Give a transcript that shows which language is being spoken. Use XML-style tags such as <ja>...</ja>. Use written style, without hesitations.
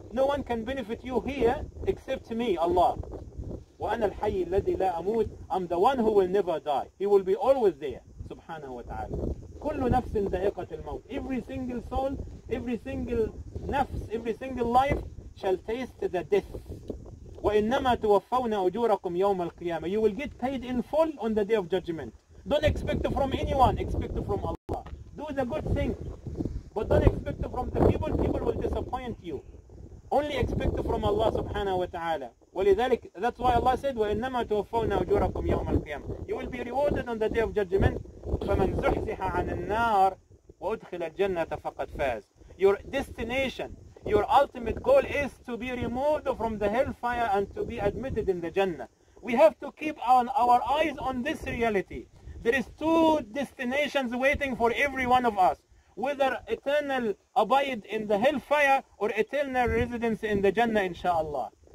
<en>No one can benefit you here except me, Allah.</en> <ar>وَأَنَا الْحَيِّ الَّذِي لَا أَمُوتُ.</ar> <en>I'm the one who will never die. He will be always there, subhanahu wa ta'ala.</en> <ar>كل نفس ذائقة الموت.</ar> <en>Every single soul, every single nafs, every single life shall taste the death.</en> <ar>وإنما توفون أجوركم يوم القيامة.</ar> <en>You will get paid in full on the day of judgment. Don't expect from anyone, expect from Allah. Do the good thing, but don't expect from the people. People will disappoint you. Only expect from Allah subhanahu wa ta'ala.</en> <ar>ولذلك,</ar> <en>that's why Allah said,</en> <ar>وإنما توفون أجوركم يوم القيامة.</ar> <en>You will be rewarded on the day of judgment.</en> <ar>فَمَنْ زُحْزِحَ عَنِ النَّارِ وَأُدْخِلَ الْجَنَّةَ فَقَدْ فَازَ.</ar> <en>Your destination, your ultimate goal is to be removed from the hellfire and to be admitted in the Jannah. We have to keep on our eyes on this reality. There is two destinations waiting for every one of us, whether eternal abide in the hellfire or eternal residence in the Jannah, inshaAllah.</en>